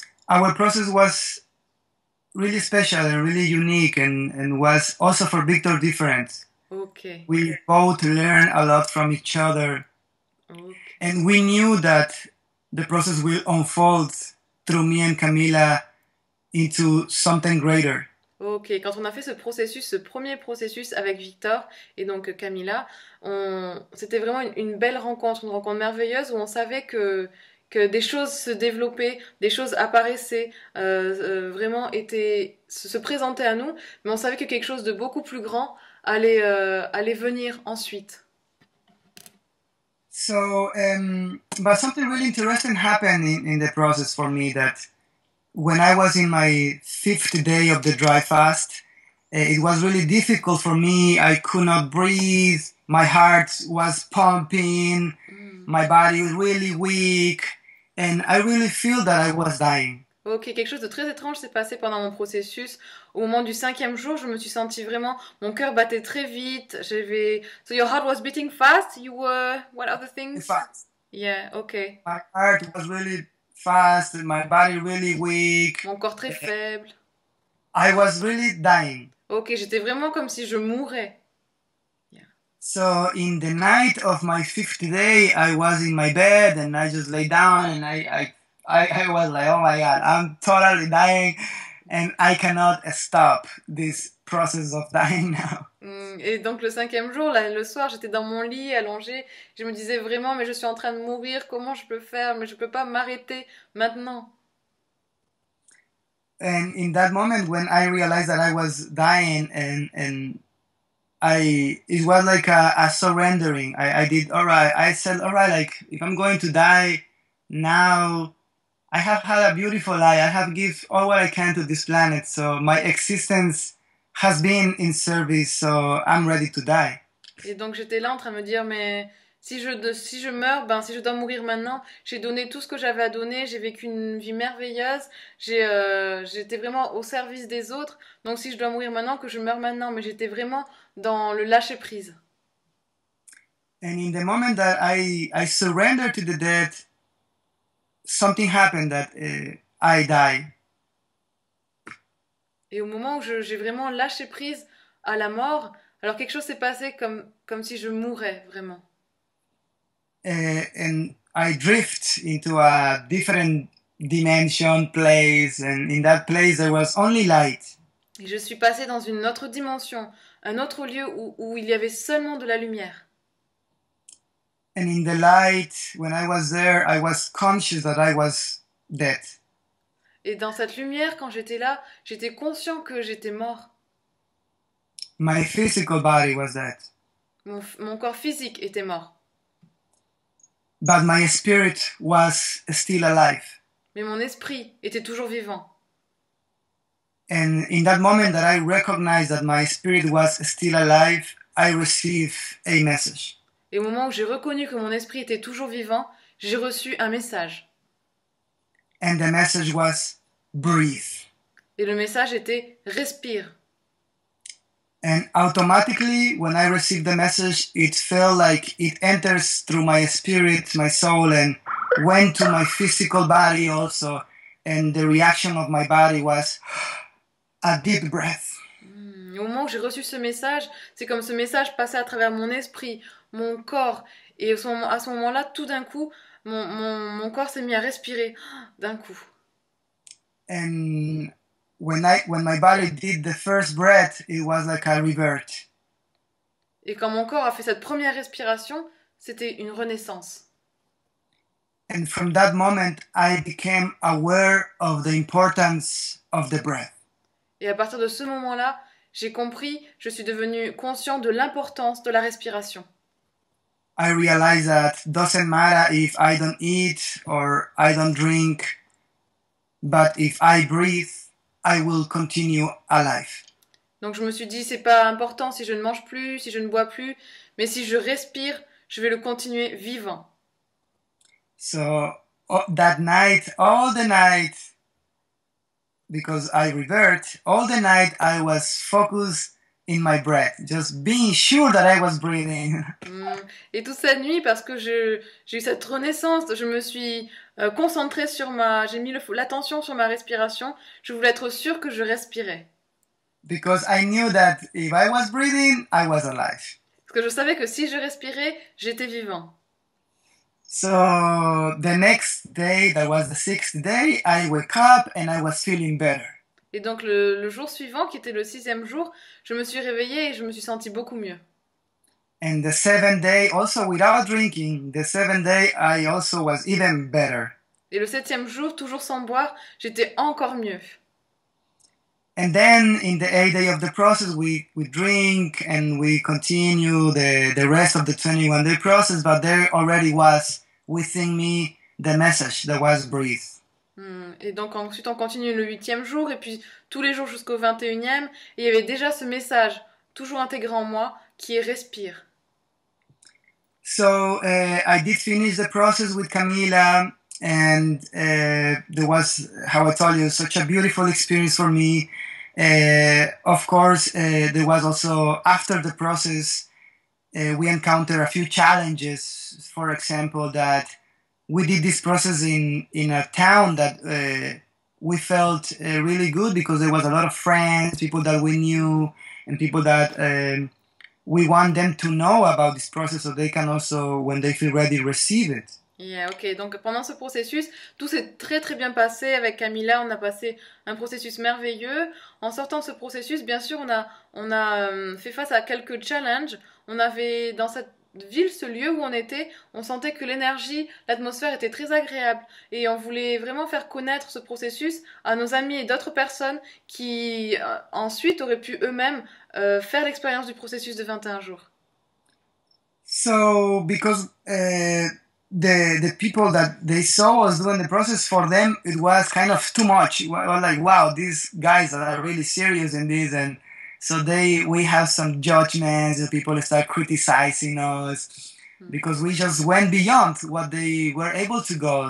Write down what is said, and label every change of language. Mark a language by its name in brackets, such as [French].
[English] our process was really special and really unique and was also for Victor different. Okay. We both learned a lot from each other Okay. and we knew that the process will unfold through me and Camila into something greater. [French] Ok, quand on a fait ce processus, ce premier processus avec Victor et donc Camilla, c'était vraiment une belle rencontre, une rencontre merveilleuse où on savait que des choses se développaient, des choses apparaissaient, vraiment étaient se présentaient à nous, mais on savait que quelque chose de beaucoup plus grand allait venir ensuite. [English] But something really interesting happened in the process for me that when I was in my fifth day of the dry fast, it was really difficult for me. I could not breathe. My heart was pumping. My body was really weak. And I really feel that I was dying. [French] Ok, quelque chose de très étrange s'est passé pendant mon processus. Au moment du cinquième jour, je me suis sentie vraiment. Mon cœur battait très vite. J'avais. [English] So your heart was beating fast. You were. What other things? Fast. Yeah, ok. My heart was really fast and my body really weak. [French] Mon corps très faible. [English] I was really dying. [French] Ok, j'étais vraiment comme si je mourais. [English] So in the night of my fifth day, I was in my bed and I just lay down and I was like, oh my God, I'm totally dying and I cannot stop this process of dying now. [French] Et donc le cinquième jour, là, le soir, j'étais dans mon lit allongée. Je me disais vraiment, mais je suis en train de mourir, comment je peux faire? Mais je ne peux pas m'arrêter maintenant. [English] And in that moment, when I realized that I was dying, it was like a surrendering. I did, all right, I said, all right, like if I'm going to die now, I have had a beautiful life. I have given all what I can to this planet. So my existence has been in service. So I'm ready to die. [French] Et donc j'étais là en train de me dire, mais si je meurs, ben si je dois mourir maintenant, j'ai donné tout ce que j'avais à donner, j'ai vécu une vie merveilleuse, j'étais vraiment au service des autres, donc si je dois mourir maintenant, que je meure maintenant, mais j'étais vraiment dans le lâcher prise. [English] And in the moment that I surrender to the dead, something happened that I die. [French] Et au moment où j'ai vraiment lâché prise à la mort, alors quelque chose s'est passé comme si je mourais vraiment. [English] And I drift into a different dimension place, and in that place there was only light. [French] Et je suis passée dans une autre dimension, un autre lieu où il y avait seulement de la lumière. [English] And in the light, when I was there, I was conscious that I was dead. [French] Et dans cette lumière, quand j'étais là, j'étais conscient que j'étais mort. [English] My physical body was dead. [French] Mon corps physique était mort. [English] But my spirit was still alive. [French] Mais mon esprit était toujours vivant. [English] And in that moment that I recognized that my spirit was still alive, I received a message. [French] Et au moment où j'ai reconnu que mon esprit était toujours vivant, j'ai reçu un message. [English] And the message was breathe. [French] Et le message était respire. [English] And automatically, when I received the message, it felt like it enters through my spirit, my soul, and went to my physical body also. And the reaction of my body was a deep breath. [French] Et au moment où j'ai reçu ce message, c'est comme ce message passait à travers mon esprit, mon corps. Et à ce moment-là, tout d'un coup, mon corps s'est mis à respirer. D'un coup. [English] And when my body did the first breath, it was like a rebirth. [French] Et quand mon corps a fait cette première respiration, c'était une renaissance. [English] And from that moment, I became aware of the importance of the breath. [French] Et à partir de ce moment-là, j'ai compris, je suis devenu conscient de l'importance de la respiration. [English] I realize that it doesn't matter if I don't eat or I don't drink, but if I breathe, I will continue alive. [French] Donc je me suis dit, c'est pas important si je ne mange plus, si je ne bois plus, mais si je respire, je vais le continuer vivant. [English] So that night, all the night, because I revert, all the night I was focused in my breath, just being sure that I was breathing. [French] Et toute cette nuit, parce que j'ai eu cette renaissance, je me suis concentrée sur ma, j'ai mis l'attention sur ma respiration, je voulais être sûre que je respirais. [English] Because I knew that if I was breathing, I was alive. [French] Parce que je savais que si je respirais, j'étais vivant. [English] So the next day, that was the sixth day, I wake up and I was feeling better. [French] Et donc le jour suivant, qui était le sixième jour, je me suis réveillée et je me suis sentie beaucoup mieux. [English] And the seventh day, also without drinking, the seventh day, I also was even better. [French] Et le septième jour, toujours sans boire, j'étais encore mieux. [English] And then in the eighth day of the process, we drink and we continue the rest of the 21-day process, but there already was within me the message that was breathe. [French] Et donc ensuite, on continue le huitième jour, et puis tous les jours jusqu'au 21e, et il y avait déjà ce message, toujours intégré en moi, qui est respire. [English] So I did finish the process with Camila. And there was, how I told you, such a beautiful experience for me. Of course, there was also, after the process, we encountered a few challenges. For example, that we did this process in a town that we felt really good because there was a lot of friends, people that we knew, and people that we want them to know about this process so they can also, when they feel ready, receive it. Yeah, ok. [French] Donc pendant ce processus, tout s'est très très bien passé avec Camila. On a passé un processus merveilleux. En sortant de ce processus, bien sûr, on a fait face à quelques challenges. On avait dans cette ville, ce lieu où on était, on sentait que l'énergie, l'atmosphère était très agréable et on voulait vraiment faire connaître ce processus à nos amis et d'autres personnes qui ensuite auraient pu eux-mêmes faire l'expérience du processus de 21 jours. [English] So, because the people that they saw us doing the process, for them it was kind of too much. It was like, wow, these guys are really serious in this, and so we have some judgments. The people start criticizing us because we just went beyond what they were able to go.